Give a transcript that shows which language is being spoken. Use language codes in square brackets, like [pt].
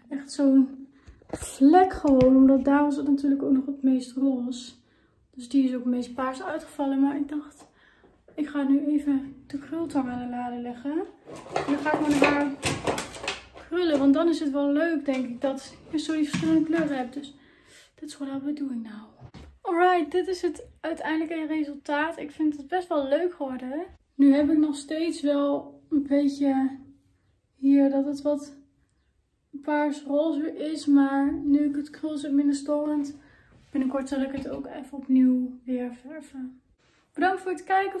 [nl] Echt zo'n vlek gewoon, omdat daar was het natuurlijk ook nog het meest roze. Dus die is ook het meest paars uitgevallen. Maar ik dacht, ik ga nu even de krultang aan de lade leggen. En dan ga ik mijn haar krullen, want dan is het wel leuk, denk ik, dat je zo die verschillende kleuren hebt. [en] Dus that's what I'm doing now. [nl] Alright, dit is het uiteindelijke resultaat. Ik vind het best wel leuk geworden. Nu heb ik nog steeds wel een beetje hier dat het wat paars-roze is. Maar nu ik het krul zit minder storend, binnenkort zal ik het ook even opnieuw weer verven. Bedankt voor het kijken.